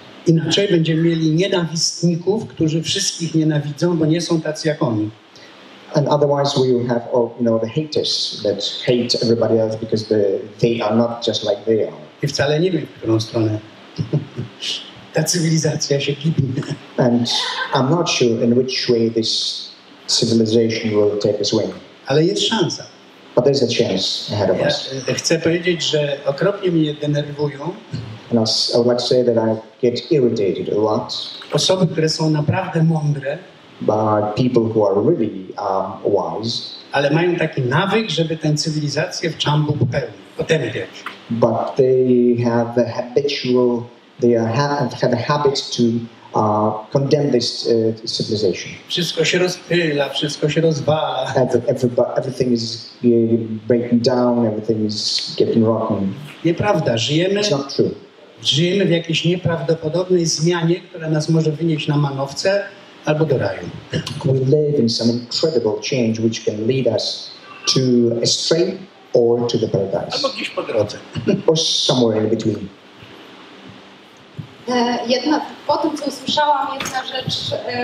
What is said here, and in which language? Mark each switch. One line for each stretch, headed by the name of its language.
Polish: Inaczej będziemy mieli nienawistników, którzy wszystkich nienawidzą, bo nie są tacy jak oni.
English: And otherwise we will have all, you know, the haters that hate everybody else because they are not just like they are.
Polish: I wcale nie wiem, w którą stronę ta cywilizacja się kibi.
English: And I'm not sure in which way this civilization will take its way.
Polish: Ale jest szansa.
English: But there's a chance ahead of us.
Polish: Chcę powiedzieć, że okropnie mnie denerwują.
English: And I would like to say that I get irritated a lot.
Polish: Osoby, które są naprawdę mądre.
English: By people who are really wise.
Polish: Ale mają taki nawyk, żeby tę cywilizację w czambu popełnić. Potępiać.
English: But they have a habitual, they have a habit to condemn this civilization.
Polish: Wszystko się rozpyla, wszystko się rozwala.
English: Everything is breaking down, everything is getting rotten.
Polish: Nieprawda, żyjemy.
English: It's not true.
Polish: Żyjemy w jakiejś nieprawdopodobnej zmianie, która nas może wynieść na manowce albo do raju.
English: We live in some incredible change which can lead us to a straight or to the paradise.
Polish: Albo gdzieś po drodze.
English: Or somewhere in between.
Polish: Jedna, po tym, co usłyszałam, jedna rzecz